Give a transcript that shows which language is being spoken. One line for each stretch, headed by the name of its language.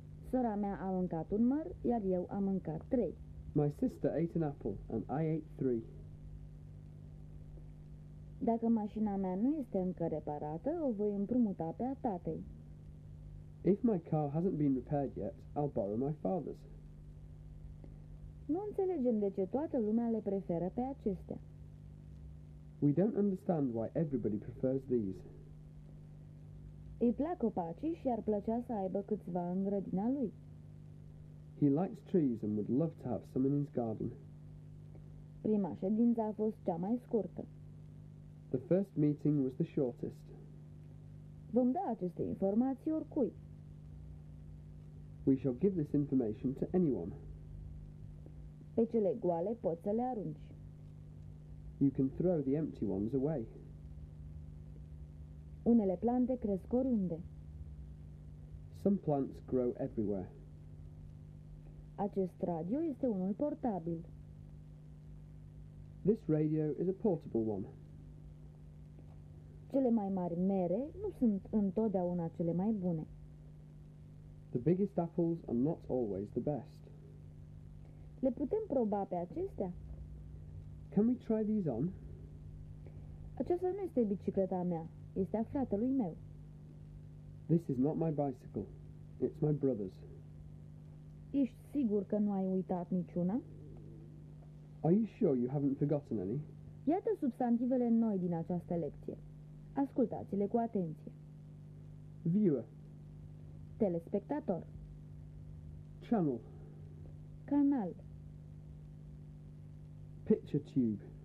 Romanian: Sora mea a mâncat un măr, iar eu am mâncat trei.
English: My sister ate an apple, and I ate three.
Romanian: Dacă mașina mea nu este încă reparată, o voi împrumuta pe a tatei.
English: If my car hasn't been repaired yet, I'll borrow my father's.
Romanian: Nu înțelegem de ce toată lumea le preferă pe acestea.
English: We don't understand why everybody prefers these.
Romanian: Îi plac copacii și ar plăcea să aibă câțiva în grădina lui.
English: He likes trees and would love to have some in his garden.
Romanian: Prima ședință a fost cea mai scurtă.
English: The first meeting was the shortest.
Romanian: Vom da aceste informații oricui.
English: We shall give this information to anyone.
Romanian: Pe cele goale poți să le arunci.
English: You can throw the empty ones away.
Romanian: Unele plante cresc oriunde.
English: Some plants grow everywhere.
Romanian: Acest radio este unul portabil.
English: This radio is a portable one.
Romanian: Cele mai mari mere nu sunt întotdeauna cele mai bune.
English: The biggest apples are not always the best.
Romanian: Le putem proba pe acestea?
English: Can we try these on?
Romanian: Aceasta nu este bicicleta mea, este a fratelui meu.
English: This is not my bicycle, it's my brother's.
Romanian: Ești sigur că nu ai uitat niciuna?
English: Are you sure you haven't forgotten any?
Romanian: Iată substantivele noi din această lecție. Ascultați-le cu atenție.
English: Viewer.
Romanian: Telespectator.
English: Channel.
Romanian: Canal.
English: Picture tube.